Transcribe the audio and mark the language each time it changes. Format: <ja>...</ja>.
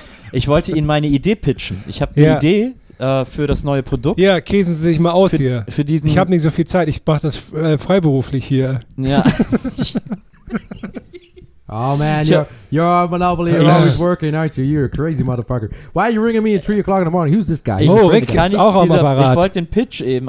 <de>Ich wollte Ihnen meine Idee pitchen. Ich habe eine Idee für das neue Produkt. Ja, käsen Sie sich mal aus für, hier. Für diesen ich habe nicht so viel Zeit, ich mache das freiberuflich hier. Ja.</de> <en>Oh man, you're on Monopoly, you're always working, aren't you? You're a crazy motherfucker. Why are you ringing me at 3 o'clock in the morning? Who's this guy?</en> <de>Oh, Rick ist auch am Apparat. Ich wollte den Pitch eben.</de>